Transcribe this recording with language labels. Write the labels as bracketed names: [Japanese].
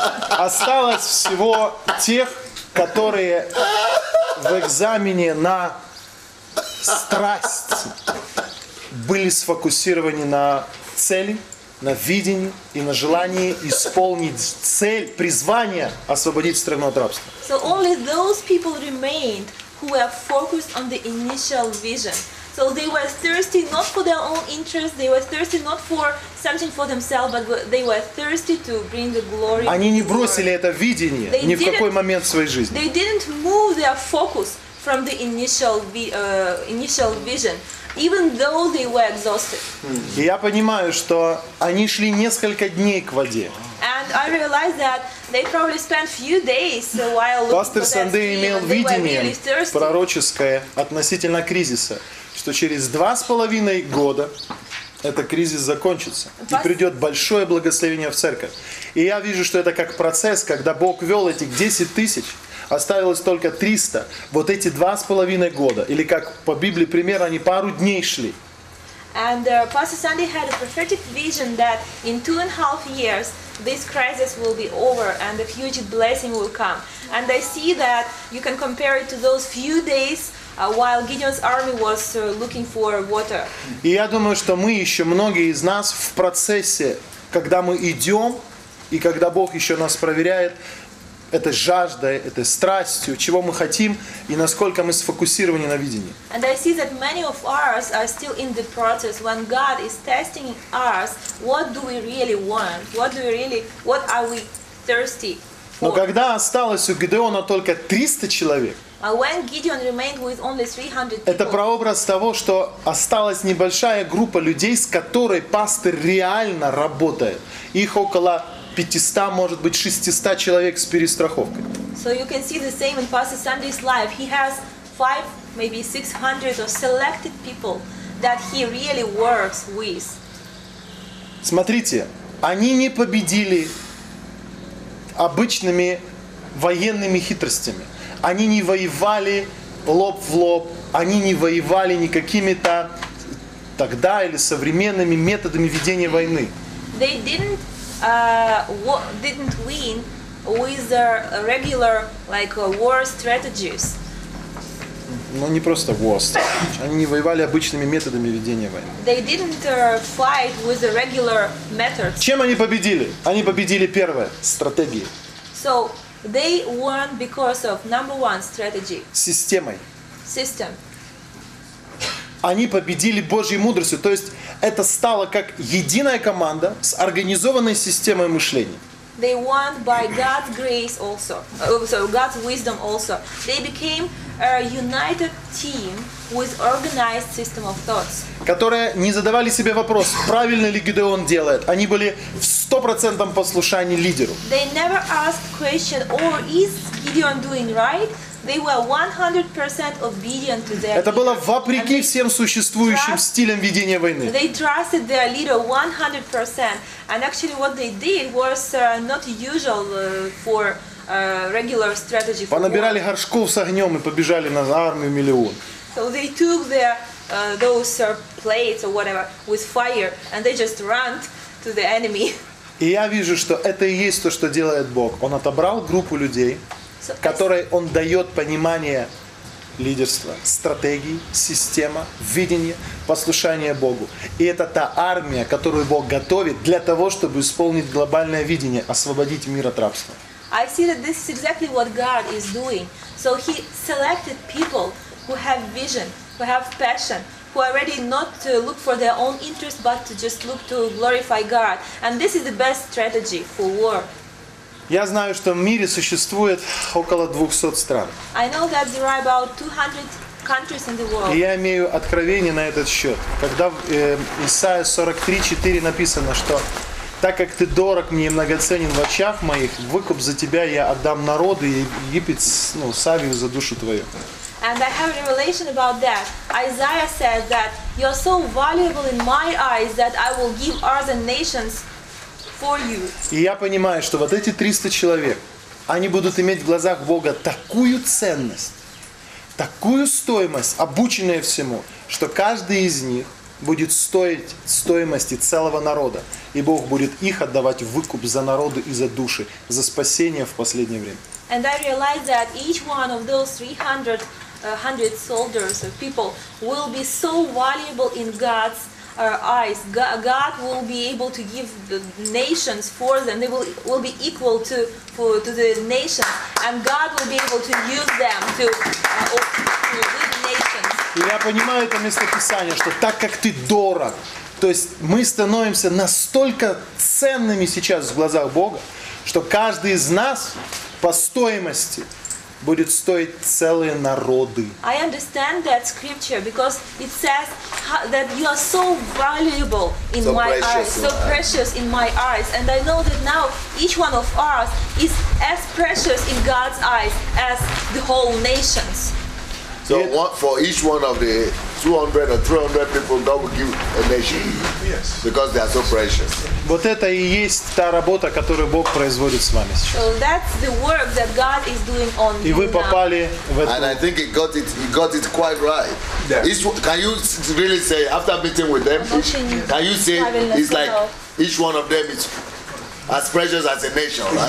[Russian] Осталось всего тех, которые в экзамене на страсть были сфокусированы на цели, на видении и на желании исполнить цель, призвание освободить страну от рабства. [English] So only those people remained who were focused on the initial vision. So they were thirsty not for their own interest, they were thirsty not for something for themselves, but they were thirsty to bring the glory. [Russian] Они не бросили это видение ни в какой момент в своей жизни. [English] They didn't move their focus from the initial initial vision. Even though they were exhausted. [Russian] И я понимаю, что они шли несколько дней к воде. [English] And I realized that they probably spent few days while looking for that [Russian] Пастор Сандей имел видение пророческое относительно кризиса, что через 2.5 года этот кризис закончится и придет большое благословение в церковь. И я вижу, что это как процесс, когда Бог вел этих 10 тысяч. Осталось только 300. Вот эти 2.5 года, или как по Библии пример, они пару дней шли. [English] And Pastor Sandy had a prophetic vision that in 2.5 years this crisis will be over and a huge blessing will come. And I see that you can compare it to those few days while Gideon's army was looking for water. [Russian] И я думаю, что мы еще многие из нас в процессе, когда мы идем и когда Бог еще нас проверяет. Это жажда, это страстью, чего мы хотим и насколько мы сфокусированы на видении. [English] And I see that many of us are still in the process when God is testing us. What do we really want? What are we thirsty for? [Russian] Но когда осталось у Гидеона только 300 человек. [English] When Gideon remained with only 300 people. [Russian] Это прообраз того, что осталась небольшая группа людей, с которой пастор реально работает. Их около 500, может быть, 600 человек с перестраховкой. [English] So you can see the same in Pastor Sandy's life. He has 500, maybe 600 of selected people that he really works with. [Russian] Смотрите, они не победили обычными военными хитростями. Они не воевали лоб в лоб. Они не воевали ни какими-то тогда или современными методами ведения войны. [English] They didn't didn't win with their regular like war strategies. [Russian] Ну не просто [English] war strategies. [Russian] Они не воевали обычными методами ведения войны. [English] They didn't fight with the regular methods. [Russian] Чем они победили? Они победили первое стратегией. [English] So they won because of number one strategy. [Russian] Системой. [English] System. [Russian] Они победили Божьей мудростью, то есть это стало как единая команда с организованной системой мышления. [English] They won by God's grace also, so God's wisdom also. They became a united team with organized system of thoughts. [Russian] Которые не задавали себе вопрос, правильно ли Гидеон делает. Они были в 100% послушании лидеру. [English] They never asked question, or is Gideon doing right? They were 100% obedient to their. [Russian] Это было вопреки всем существующим стилям ведения войны. [English] They trusted their leader 100%, and actually, what they did was not usual for regular strategy. [Russian] Понабирали горшков с огнем и побежали на армию миллион. [English] So they took their those plates or whatever with fire and they just ran to the enemy. [Russian] И я вижу, что это и есть то, что делает Бог. Он отобрал группу людей, которой он дает понимание лидерства, стратегии, система, видение, послушание Богу. И это та армия, которую Бог готовит для того, чтобы исполнить глобальное видение, освободить мир от рабства. [English] I see that this is exactly what God is doing. So he selected people who have vision, who have passion, who are ready not to look for their own interest, but to just look to glorify God. And this is the best strategy for war. [Russian] Я знаю, что в мире существует около 200 стран. [English] I know that there are about 200 countries in the world. [Russian] И я имею откровение на этот счет. Когда в Исаия 43:4 написано, что так как ты дорог мне и многоценен в очах моих, выкуп за тебя я отдам народу и Египет, ну, Савию за душу твою. [English] And I have a revelation about that. Isaiah says that you are so valuable in my eyes that I will give other nations for you. [Russian] И я понимаю, что вот эти 300 человек, они будут иметь в глазах Бога такую ценность, такую стоимость, обученные всему, что каждый из них будет стоить стоимости целого народа. И Бог будет их отдавать в выкуп за народы и за души, за спасение в последнее время. [English] And I realized that each one of those 300 soldiers or people will be so valuable in God's eyes. God will be able to give the nations for them. They will be equal to the nation. And God will be able to use them to lead nations. [Russian] Я понимаю это место Писания, что так как ты дорог, то есть мы становимся настолько ценными сейчас в глазах Бога, что каждый из нас по стоимости будет стоить целые народы. [English] I understand that scripture because it says that you are so valuable in so my eyes, so precious in my eyes, and I know that now each one of us is as precious in God's eyes as the whole nations. So what for each one of the 200 or 300 people God will give a nation? Yes. Because they are so precious. [Russian] Вот это и есть та работа, которую Бог производит с вами сейчас. [English] So that's the work that God is doing on you. [Russian] И вы попали в это. [English] And I think he got it quite right. Yes. Can you really say after meeting with them? Can you say it's like each one of them is as precious as a nation, right?